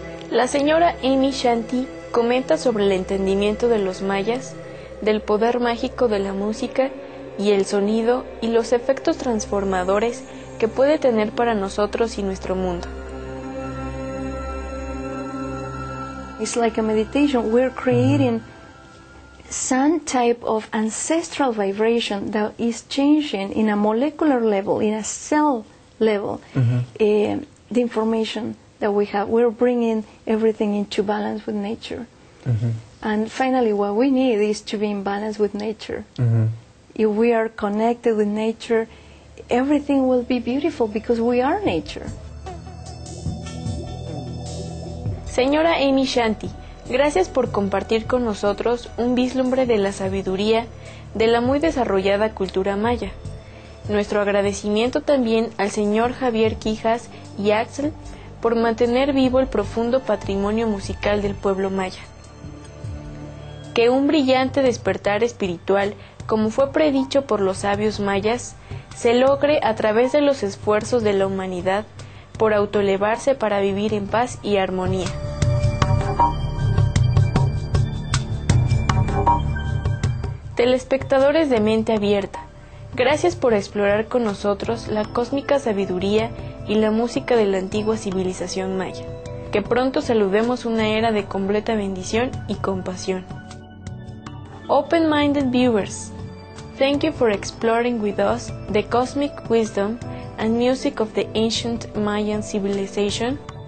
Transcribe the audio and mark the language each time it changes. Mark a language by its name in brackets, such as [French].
[Spanish] La señora Amy Shanti comenta sobre el entendimiento de los mayas, del poder mágico de la música y el sonido y los efectos transformadores que puede tener para nosotros y nuestro mundo. [English] It's like a meditation. We're creating some type of ancestral vibration that is changing in a molecular level, in a cell level, the information that we have. We're bringing everything into balance with nature. Mm-hmm. And finally, what we need is to be in balance with nature. Mm-hmm. If we are connected with nature, everything will be beautiful because we are nature. [Spanish] Señora Amy Shanti, gracias por compartir con nosotros un vislumbre de la sabiduría de la muy desarrollada cultura maya. Nuestro agradecimiento también al señor Javier Quijas y Axel por mantener vivo el profundo patrimonio musical del pueblo maya. Que un brillante despertar espiritual, como fue predicho por los sabios mayas, se logre a través de los esfuerzos de la humanidad por autoelevarse para vivir en paz y armonía. Telespectadores de mente abierta, gracias por explorar con nosotros la cósmica sabiduría y la música de la antigua civilización maya. Que pronto saludemos una era de completa bendición y compasión. [English] Open-minded viewers, thank you for exploring with us the cosmic wisdom and music of the ancient Mayan civilization.